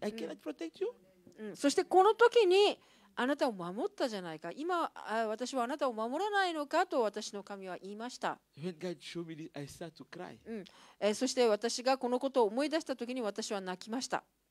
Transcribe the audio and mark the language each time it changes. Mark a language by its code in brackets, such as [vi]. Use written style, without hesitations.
[en] I cannot protect you. [ja] そしてこの時に。あなたを守ったじゃないか。今私はあなたを守らないのかと私の神は言いました。 [en] When God showed me this, I start to cry. [ja] そして私がこのことを思い出した時に私は泣きました。